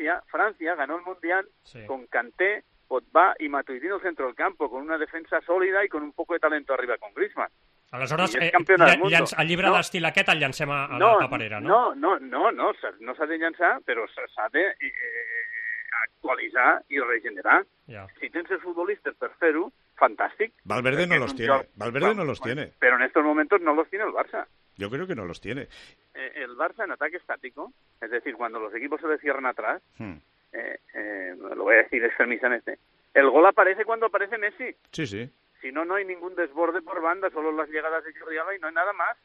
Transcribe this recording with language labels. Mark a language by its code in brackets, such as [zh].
[es] França ganó el Mundial con Kanté, Pogba y Matuidi en el centro del campo, con una defensa sólida y con un poco de talento arriba con Griezmann. [ca] Aleshores, el llibre d'estil aquest el llancem a la taparera, no? No s'ha de llançar, però s'ha de actualitzar i regenerar. Si tens els futbolistes per fer-ho, fantástico. [es] Valverde no los tiene. Pero en estos momentos no los tiene el Barça. Yo creo que no los tiene. El Barça en ataque estático, es decir, cuando los equipos se le cierran atrás, lo voy a decir extremistamente, el gol aparece cuando aparece Messi. Sí, sí. Si no, no hay ningún desborde por banda, solo las llegadas de Jordi Alba y no hay nada más.